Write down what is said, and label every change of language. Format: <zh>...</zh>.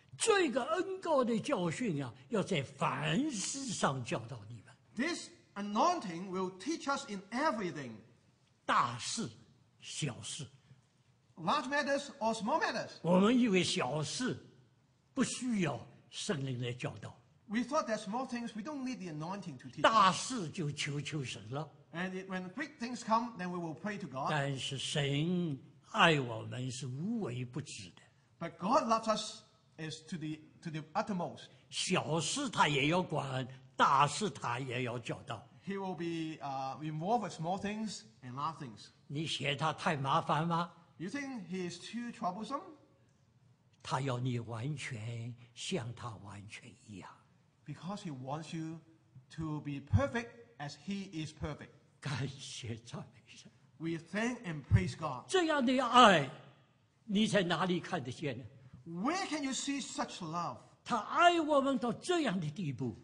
<zh>这个恩膏的教训啊, 要在凡事上教导你们,</zh> <en>this anointing will teach us in everything.</en> <zh>大事, 小事,</zh> <en>large matters or small matters.</en> <zh>我们以为小事, 不需要圣灵来教导,</zh> <en>we thought that small things, we don't need the anointing to teach.</en> <zh>大事就求求神了,</zh> <en>and when great things come, then we will pray to God.</en> <zh>但是神爱我们是无微不至的,</zh> <en>but God loves us is to the uttermost.</en> <zh>小事他也要管, 大事他也要教导,</zh> <en>he will be involved with small things and large things.</en> <zh>你嫌他太麻烦吗?</zh> <en>You think he is too troublesome?</en> <zh>他要你完全像他完全一样,</zh> <en>because he wants you to be perfect as he is perfect.</en> <zh>感谢赞美神,</zh> <en>we thank and praise God.</en> <zh>这样的爱, 你在哪里看得见呢?</zh> <en>Where can you see such love?</en> <zh>他爱我们到这样的地步,</zh>